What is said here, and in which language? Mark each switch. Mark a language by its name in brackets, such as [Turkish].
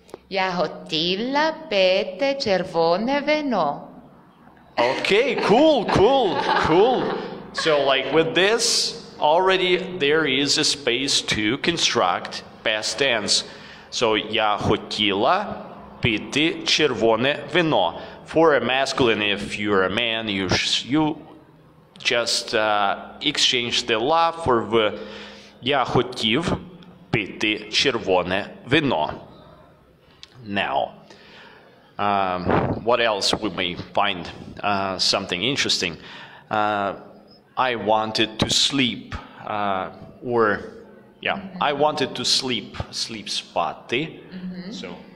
[Ukrainian] Я хотіла пити червоне вино. [English] Okay, cool. So, like with this. Already there is a space to construct past tense. So [Ukrainian] я хотіла пити червоне вино. [English] For a masculine, if you're a man, you just exchange the la for v. [Ukrainian] Я хотів пити червоне вино. [English] Now, what else we may find something interesting? I wanted to sleep, I wanted to sleep spати. Mm-hmm. So,